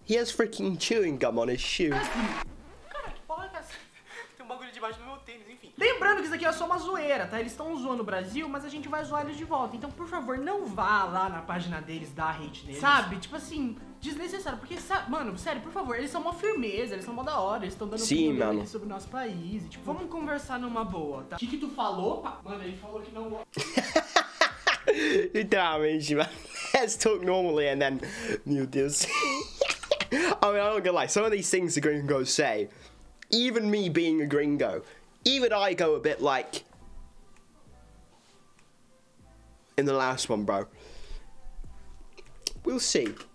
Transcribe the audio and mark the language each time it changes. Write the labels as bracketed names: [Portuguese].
[English] He has freaking chewing gum on his shoe. [Portuguese] Cara, que porra que é essa? Tem um bagulho de baixo no meu tênis, enfim. Lembrando que isso aqui é só uma zoeira, tá? Eles estão zoando o Brasil, mas a gente vai zoar eles de volta. Então, por favor, não vá lá na página deles, dar hate neles. Sabe? Tipo assim, desnecessário. Porque, mano, sério, por favor, eles são uma firmeza, eles são mó da hora, eles estão dando opinião deles sobre o nosso país. E, tipo, vamos conversar numa boa, tá? O que tu falou, pá? Mano, ele falou que não. Literalmente, man. [English] Let's talk normally and then, meu Deus. I mean, I'm not gonna lie, some of these things the gringos say, even me being a gringo, even I go a bit like, in the last one, bro. We'll see.